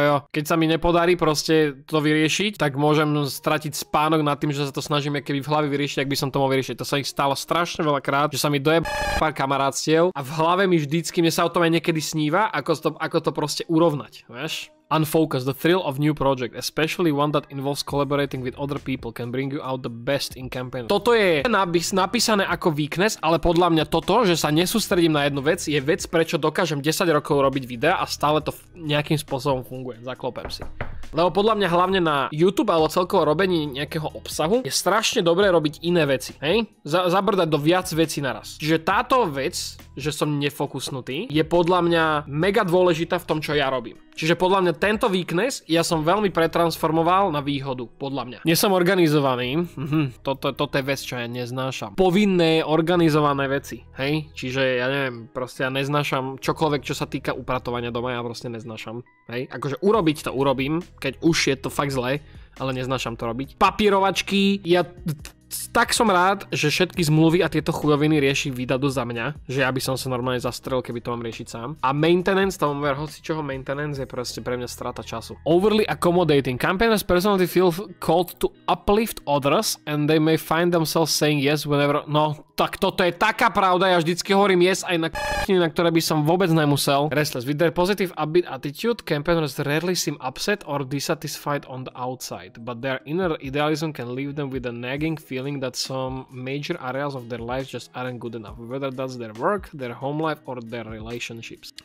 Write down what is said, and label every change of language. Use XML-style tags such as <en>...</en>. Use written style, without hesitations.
<sk>Keď sa mi nepodarí proste to vyriešiť, tak môžem stratiť spánok nad tým, že sa to snažím keby v hlave vyriešiť, ak by som to mohol vyriešiť. To sa mi stalo strašne veľakrát, že sa mi dojeb pár kamarátstiev a v hlave mi vždycky, mne sa o tom aj niekedy sníva, ako to proste urovnať, vieš?</sk> <en>Unfocus, the thrill of new project, especially one that involves collaborating with other people, can bring you out the best in campaign.</en> <sk>Toto je napísané ako weakness, ale podľa mňa toto, že sa nesústredím na jednu vec, je vec, prečo dokážem 10 rokov robiť videa a stále to nejakým spôsobom funguje. Zaklopem si. Lebo podľa mňa hlavne na YouTube alebo celkovo robení nejakého obsahu je strašne dobré robiť iné veci, hej? Zabrdať do viac vecí naraz. Čiže táto vec, že som nefokusnutý, je podľa mňa mega dôležitá v tom, čo ja robím. Čiže podľa mňa tento weakness ja som veľmi pretransformoval na výhodu, podľa mňa. Nie som organizovaný, toto je vec, čo ja neznášam. Povinné organizované veci, hej? Čiže ja neviem, proste ja neznášam čokoľvek, čo sa týka upratovania doma, ja proste neznášam. Hej, akože urobiť to urobím, keď už je to fakt zlé, ale neznášam to robiť. Papírovačky, ja tak som rád, že všetky zmluvy a tieto chujoviny rieši Vidadu za mňa, že ja by som sa normálne zastrel, keby to mám riešiť sám. A maintenance, tam ver hoci čoho maintenance, je proste pre mňa strata času.</sk> <en>Overly accommodating. Campaigners personality feel called to uplift others and they may find themselves saying yes whenever...</en> <sk>No, tak toto je taká pravda, ja vždycky hovorím</sk> <en>yes</en> <sk>aj na k***ni, na ktoré by som vôbec nemusel.</sk> <en>Restless, with their positive upbeat attitude, campaigners rarely seem upset or dissatisfied on the outside, but their inner idealism can leave them with a nagging feeling that some major areas of their lives just aren't good enough, whether that's their work, their home life or their relationships.</en>